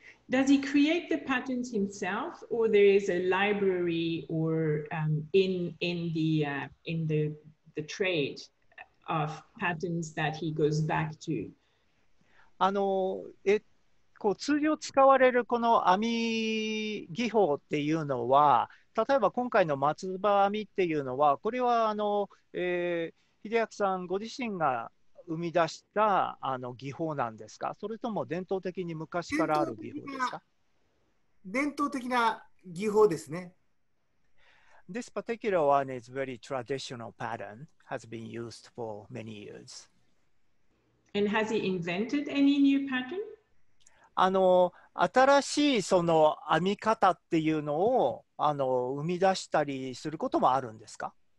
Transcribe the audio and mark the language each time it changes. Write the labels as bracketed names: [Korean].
[English] Does he create the patterns himself or there is a library or in the trade of patterns that he goes back to? [Japanese] こう通常使われるこの編み技法っていうのは、例えば今回の松葉編みっていうのは、これはあの、秀明さんご自身が生み出したあの技法なんですか、それとも伝統的に昔からある技法ですか。伝統的な技法ですね。 [English] This particular one is very traditional pattern, has been used for many years. And has he invented any new pattern? [Japanese] あの新しいその編み方っていうのをあの生み出したりすることもあるんですか？